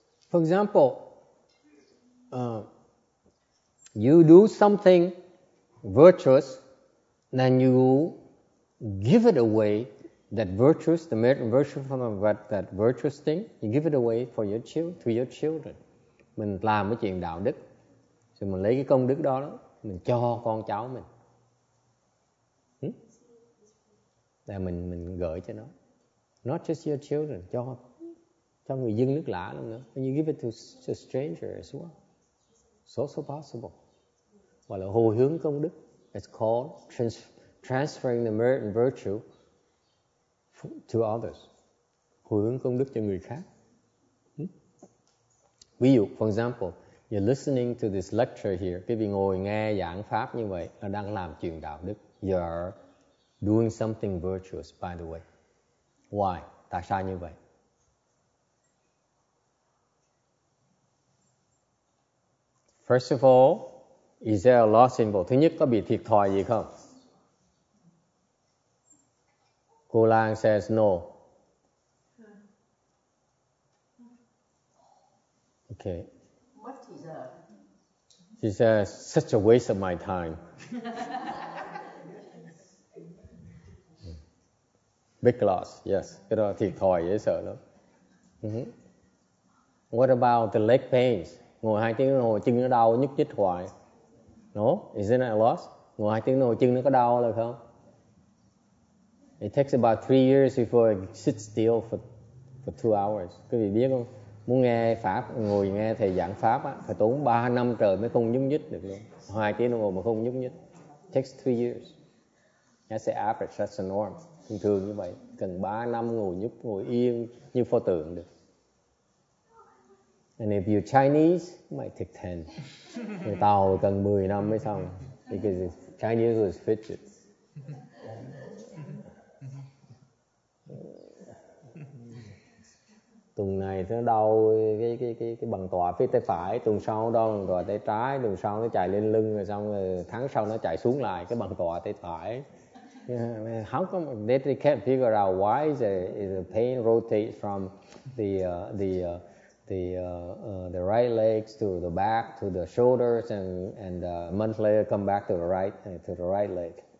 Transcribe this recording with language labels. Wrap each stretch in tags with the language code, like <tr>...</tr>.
<en>For example, you do something virtuous, then you give it away, that virtuous, the merit and virtue from that virtuous thing, you give it away for your to your children.</en> <vi>Mình làm cái chuyện đạo đức, rồi mình lấy cái công đức đó, mình cho con cháu mình. Để mình gửi cho nó.</vi> <en>Not just your children,</en> <vi>cho người dân nước lạ luôn nữa.</vi> <en>When you give it to strangers as well. So, so possible.</en> <vi>Gọi là hồi hướng công đức.</vi> <en>It's called transferring the merit and virtue to others.</en> <vi>Hồi hướng công đức cho người khác. Ví dụ,</vi> <en>for example, you're listening to this lecture here.</en> <vi>Quý vị ngồi nghe giảng pháp như vậy, nó đang làm chuyện đạo đức.</vi> <en>You're doing something virtuous, by the way. Why?</en> <vi>Tại sao như vậy?</vi> <en>First of all, is there a loss involved?</en> <vi>Thứ nhất, có bị thiệt thòi gì không?</vi> <en>Cô Lan says no. Okay. What is that? She says, such a waste of my time. Big loss, yes.</en> <vi>Cái đó thiệt thòi dễ sợ lắm. Mm-hmm.</vi> <en>What about the leg pains?</en> <vi>Ngồi 2 tiếng đồng hồ chân nó đau nhức nhích hoài.</vi> <en>No? Is it a loss?</en> <vi>Ngồi 2 tiếng đồng hồ chân nó có đau là không?</vi> <en>It takes about 3 years before I sit still for 2 hours.</en> <vi>Quý vị biết không? Muốn nghe Pháp, ngồi nghe thầy giảng Pháp á, phải tốn 3 năm trời mới không nhúc nhích được luôn. 2 tiếng đồng hồ mà không nhúc nhích.</vi> <en>Takes 3 years. That's the average, that's the norm.</en> <vi>Thường thường như vậy. Cần 3 năm ngồi nhúc, ngồi yên như pho tượng được.</vi> <en>And if you're Chinese, it might take 10.</en> <vi>Người Tàu cần 10 năm mới xong.</vi> <en>Because Chinese was fidget.</en> <vi>Tuần này nó đau cái bằng tọa phía tay phải, tuần sau đau bằng tọa tay trái, tuần sau nó chạy lên lưng, rồi xong rồi tháng sau nó chạy xuống lại cái bằng tọa tay phải.</vi> <en>Yeah, how come they can't figure out why is the pain rotates from the the right legs to the back to the shoulders, and a month later come back to the right leg.</en>